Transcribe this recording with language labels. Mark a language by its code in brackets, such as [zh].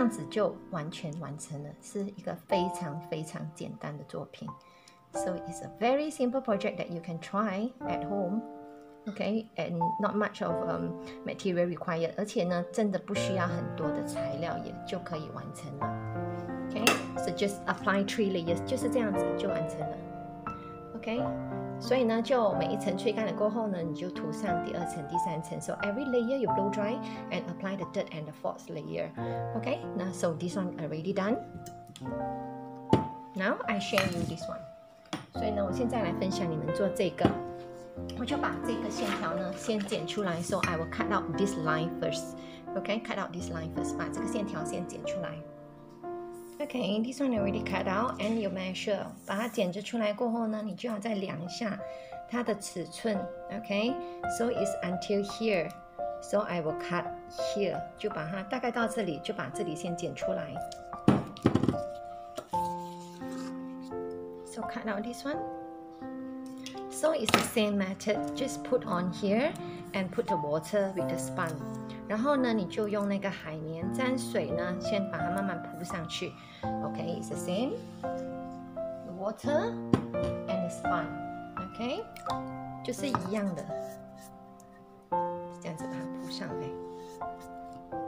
[zh] 就完全完成了，是一个非常非常简单的作品。 [en] So it's a very simple project that you can try at home. Okay, and not much of material required. [zh] 而且呢，真的不需要很多的材料也就可以完成了。 [en] Okay, so just apply 3 layers, [zh] 就是这样子就完成了。 Okay, 所以呢，就每一层吹干了过后呢，你就涂上第二层、第三层。 [en] So every layer you blow dry and apply the third and the fourth layer. Okay, now so this one already done. Now I share you this one. [zh] 所以呢，我现在来分享你们做这个。我就把这个线条呢先剪出来。 [en] So I will cut out this line first. Okay, cut out this line first. [zh] 把这个线条先剪出来。 [en] Okay, this one already cut out, and you measure. [zh] 把它剪着出来过后呢，你就要再量一下它的尺寸 ，OK， [en] so it's until here， so I will cut here， [zh] 就把它大概到这里，就把这里先剪出来。 [en] So cut out this one. So it's the same method. Just put on here and put the water with the sponge. [zh] 然后呢，你就用那个海绵沾水呢，先把它慢慢铺上去。 [en] Okay, it's the same. The water and the sponge. [zh] Okay, 就是一样的，这样子把它铺上来。